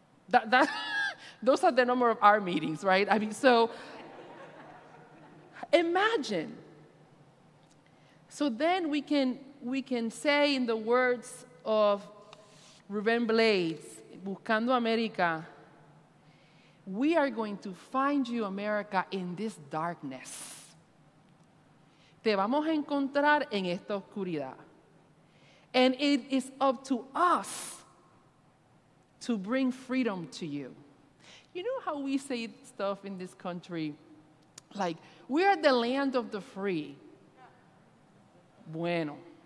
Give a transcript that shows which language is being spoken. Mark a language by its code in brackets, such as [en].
[en] That those are the number of our meetings, right? I mean, so imagine. So then we can say in the words of Ruben Blades, Buscando America, we are going to find you, America, in this darkness. [es] Te vamos a encontrar en esta oscuridad. [en] And it is up to us to bring freedom to you. You know how we say stuff in this country? Like, we are the land of the free. Bueno.